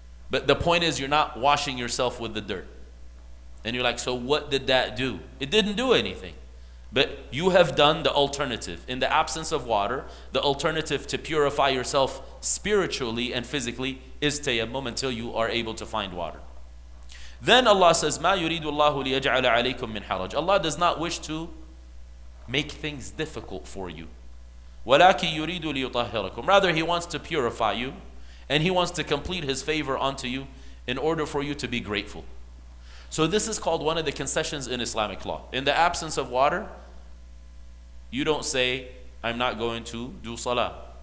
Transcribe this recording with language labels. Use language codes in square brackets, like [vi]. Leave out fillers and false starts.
[en] But the point is, you're not washing yourself with the dirt. And you're like, so what did that do? It didn't do anything. But you have done the alternative. In the absence of water, the alternative to purify yourself spiritually and physically is tayammum until you are able to find water. Then Allah says, [ar] مَا يُرِيدُ اللَّهُ لِيَجْعَلَ عَلَيْكُمْ مِنْ حَرَجٍ. [en] Allah does not wish to make things difficult for you. [ar] وَلَكِ يُرِيدُ لِيُطَهِّرَكُمْ. [en] Rather, He wants to purify you, and He wants to complete His favor onto you in order for you to be grateful. So this is called one of the concessions in Islamic law. In the absence of water, you don't say, I'm not going to do salah.